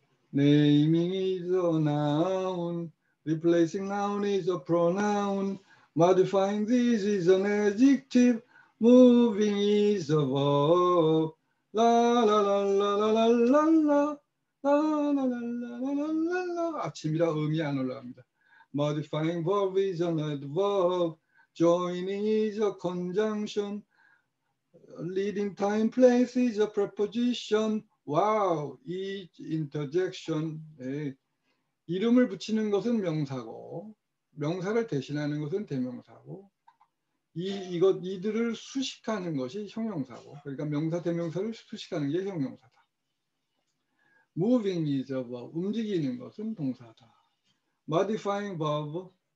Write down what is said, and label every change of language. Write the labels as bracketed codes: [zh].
[en] 네이밍 is a noun, replacing noun is a pronoun, modifying this is an adjective, moving is a verb. [ko] 라라라라라라라라 라라라라라라라라 아침이라 음이 안 올라갑니다. [en] Modifying verb is an adverb. Joining is a conjunction. Leading time place is a preposition. Wow, each interjection. 네. [ko] 이름을 붙이는 것은 명사고, 명사를 대신하는 것은 대명사고, 이들을 수식하는 것이 형용사고. 그러니까 명사 대명사를 수식하는 게 형용사다. [en] Moving is a verb. [ko] 움직이는 것은 동사다. [en] Modifying verb.